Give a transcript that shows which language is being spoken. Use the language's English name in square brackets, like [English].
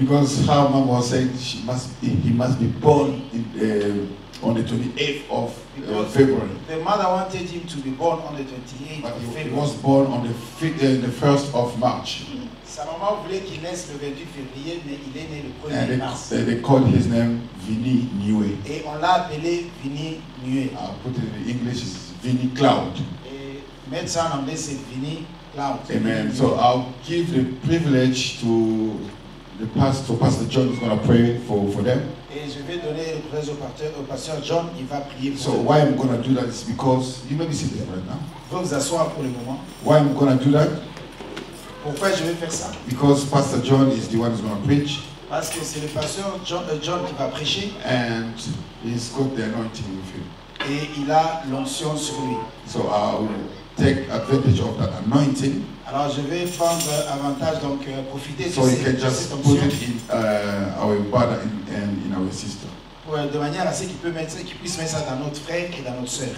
[English] Because her mom was saying he must be born in on the 28th of February. The mother wanted him to be born on the 28th but of February. He was born on the 1st of March. [French] Sa maman voulait qu'il naisse le 28 février, mais il est né le 1er mars. [English] And they called his name Vinnie Niwe. [French] Et on l'a appelé Vinnie Niwe. [English] I put it in English, it's Vinnie Cloud. [French] Et mettre ça en anglais, c'est Vinnie Cloud. [English] Amen. Vinnie. So I'll give the privilege to the pastor, Pastor John is going to pray for them. [French] Et je vais donner le privilège au pasteur John, il va prier pour [English] so [French] eux. [English] So why I'm going to do that is because, you may be sitting there right now. [French] Vous vous asseoir pour le moment. [English] Why I'm going to do that? [French] Pourquoi je vais faire ça? [English] Because Pastor John is the one who's going to preach. [French] Parce que c'est le pasteur John qui va prêcher. [English] And he's got the anointing with him. [French] Et il a l'onction sur lui. [English] So I will take advantage of that anointing. [French] Alors je vais prendre avantage donc profiter [English] so [French] de cette onction. [English] So he can just put it in our brother and in our sister. [French] Ouais, de manière à ce qu'il peut mettre, qu'il puisse mettre ça dans notre frère et dans notre sœur.